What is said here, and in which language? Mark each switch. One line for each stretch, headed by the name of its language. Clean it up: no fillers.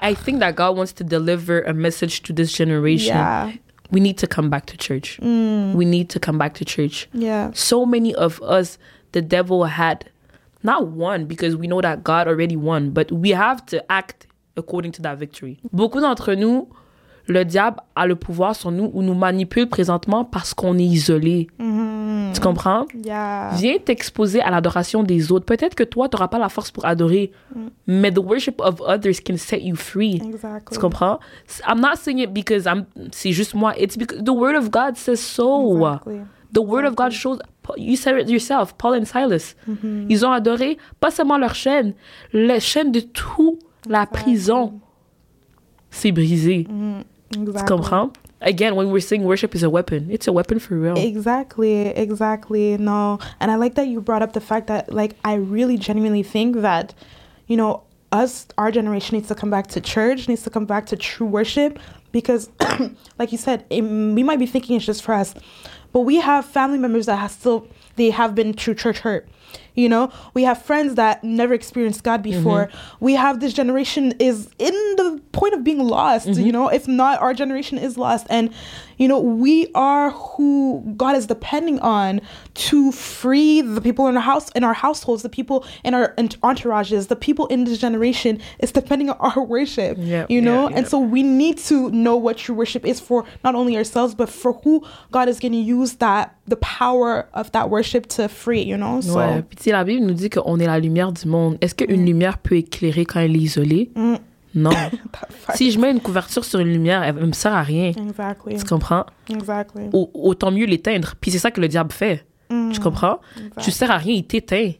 English: I think that God wants to deliver a message to this generation. Yeah. We need to come back to church. Mm. We need to come back to church. Yeah. So many of us, the devil had not won, because we know that God already won, but we have to act according to that victory.
French: Beaucoup d'entre nous, le diable a le pouvoir sur nous ou nous manipule présentement parce qu'on est isolé. Mm-hmm. Tu comprends?
English: Yeah.
French: Viens t'exposer à l'adoration des autres. Peut-être que toi, tu n'auras pas la force pour adorer, mm-hmm.
English: mais the worship of others can set you free. Exactly.
French: Tu comprends?
English: I'm not saying it because I'm,
French: c'est juste moi.
English: It's because the word of God says so. Exactly. The word of God shows, you said it yourself, Paul and Silas. Mm-hmm.
French: Ils ont adoré, pas seulement leur chaîne, les chaînes de toute la prison. C'est brisé.
English: Mm-hmm. Exactly.
French: Tu comprends?
English: Again, when we're saying worship is a weapon, it's a weapon for real. Exactly, exactly. No, and I like that you brought up the fact that, like, I really genuinely think that, you know, us, our generation needs to come back to church, needs to come back to true worship, because, like you said, we might be thinking it's just for us, but we have family members that have still, they have been through church hurt. You know, we have friends that never experienced God before. Mm-hmm. We have this generation is in the point of being lost, mm-hmm. you know, if not, our generation is lost. And, you know, we are who God is depending on to free the people in our house, in our households, the people in our entourages, the people in this generation is depending on our worship, yep, you know. Yep, yep. And so we need to know what true worship is for not only ourselves, but for who God is going to use that, the power of that worship to free, you know. So.
French: Ouais. Puis tu sais, la Bible nous dit qu'on est la lumière du monde. Est-ce qu'une mm. lumière peut éclairer quand elle est isolée? Mm. Non. Si je mets une couverture sur une lumière, elle ne me sert à rien.
English: Exactly.
French: Tu comprends?
English: Exactly.
French: Autant mieux l'éteindre. Puis c'est ça que le diable fait. Mm. Tu comprends?
English: Exactly.
French: Tu ne sers à rien, il t'éteint.